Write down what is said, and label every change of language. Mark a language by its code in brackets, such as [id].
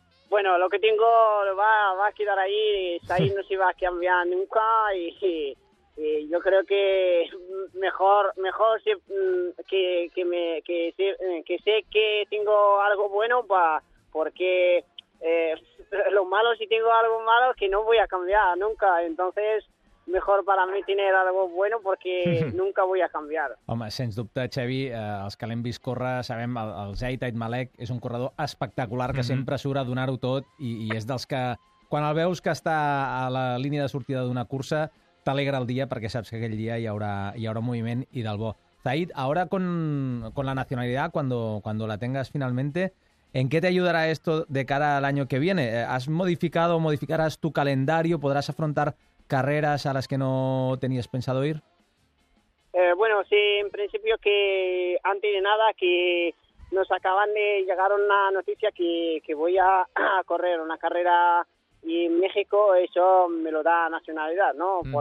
[es] Bueno, lo que tengo va a quedar ahí, está ahí, no se va a cambiar nunca y yo creo que mejor que sé que tengo algo bueno porque lo malo, si tengo algo malo, que no voy a cambiar nunca, entonces mejor para mí tener algo bueno porque nunca voy a cambiar. [ca] Home, sens dubte, Xavi, els que l'hem vist córrer, sabem, el Zaid Al-Malek és un corredor espectacular que sempre surt a donar-ho tot i és dels que quan el veus que està a la línia de sortida d'una cursa, t'alegra el dia perquè saps que aquell dia hi haurà moviment i del bo. [es] Zahid, ahora con la nacionalidad, cuando la tengas finalmente, ¿en qué te ayudará esto de cara al año que viene? ¿Has modificado o modificarás tu calendario? ¿Podrás afrontar carreras a las que no tenías pensado ir? Bueno, sí, en principio que antes de nada que nos acaban de llegar una noticia que voy a correr una carrera y en México, eso me lo da nacionalidad, ¿no? Uh-huh.